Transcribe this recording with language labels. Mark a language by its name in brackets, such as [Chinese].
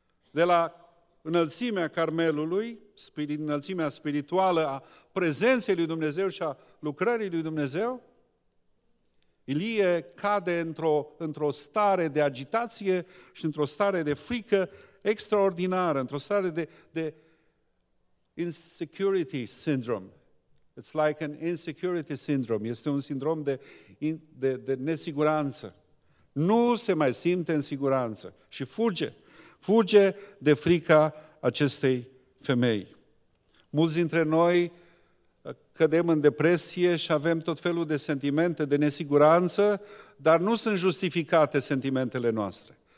[Romanian] De la înălțimea Carmelului, înălțimea spirituală a prezenței lui Dumnezeu și a lucrării lui Dumnezeu, Ilie cade într-o stare de agitație și într-o stare de frică extraordinară, într-o stare de [English] insecurity syndrome. It's like an insecurity syndrome. [Romanian] Este un sindrom de nesiguranță. Nu se mai simte în siguranță și fuge. Fuge de frica acestei femei. Mulți dintre noi cădem în depresie și avem tot felul de sentimente de nesiguranță, dar nu sunt justificate sentimentele noastre.